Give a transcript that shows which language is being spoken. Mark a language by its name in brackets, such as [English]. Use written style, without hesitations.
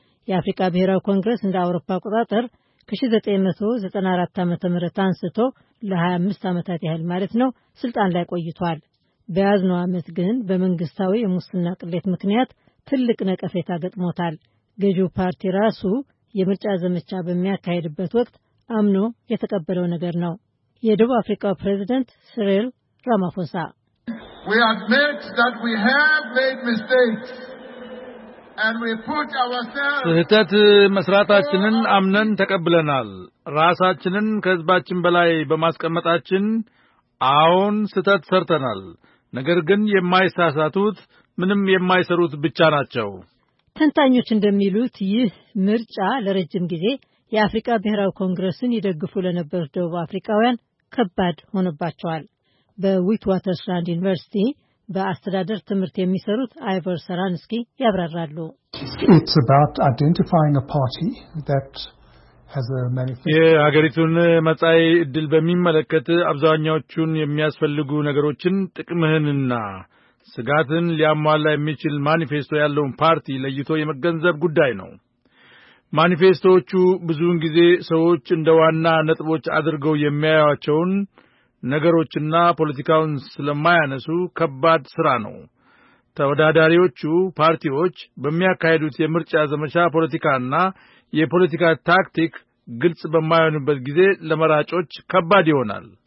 [Amharic] የአፍሪካ ብሔራዊ ኮንግረስ እንደ አውሮፓ አቆጣጠር ከ1994 ዓ.ም አንስቶ ለ25 ዓመታት ያህል ማለት ነው ስልጣን ላይ ቆይቷል። በያዝነው ዓመት ግን በመንግስታዊ የሙስና ቅሌት ምክንያት ትልቅ ነቀፌታ ገጥሞታል። ገዢው ፓርቲ ራሱ የምርጫ ዘመቻ በሚያካሂድበት ወቅት አምኖ የተቀበለው ነገር ነው። የደቡብ አፍሪካ ፕሬዝዳንት ሲሪል ራማፎሳ [English] We admit that we have made mistakes and we put ourselves [Amharic] ስህተት መስራታችንን አምነን ተቀብለናል። ራሳችንን ከህዝባችን በላይ በማስቀመጣችን አሁን ስህተት ሰርተናል። ነገር ግን የማይሳሳቱት ምንም የማይሰሩት ብቻ ናቸው። ተንታኞች እንደሚሉት ይህ ምርጫ ለረጅም ጊዜ የአፍሪካ ብሔራዊ ኮንግረስን ይደግፉ ለነበሩ ደቡብ አፍሪካውያን ከባድ ሆነባቸዋል። በዊትዋተርላንድ ዩኒቨርሲቲ በአስተዳደር ትምህርት የሚሰሩት አይቨር ሰራንስኪ ያብራራሉ። [English] It's about identifying a party that has a manifest [Amharic] የሀገሪቱን መጻኢ ዕድል በሚመለከት አብዛኛዎቹን የሚያስፈልጉ ነገሮችን ጥቅምህንና ስጋትን ሊያሟላ የሚችል ማኒፌስቶ ያለውን ፓርቲ ለይቶ የመገንዘብ ጉዳይ ነው። ማኒፌስቶዎቹ ብዙውን ጊዜ ሰዎች እንደዋና ነጥቦች አድርገው የሚያያቸውን ነገሮችና ፖለቲካውን ስለማያነሱ ከባድ ስራ ነው። ተወዳዳሪዎቹ ፓርቲዎች በሚያካሂዱት የምርጫ ዘመቻ ፖለቲካና የፖለቲካ ታክቲክ ግልጽ በማይሆንበት ጊዜ ለመራጮች ከባድ ይሆናል።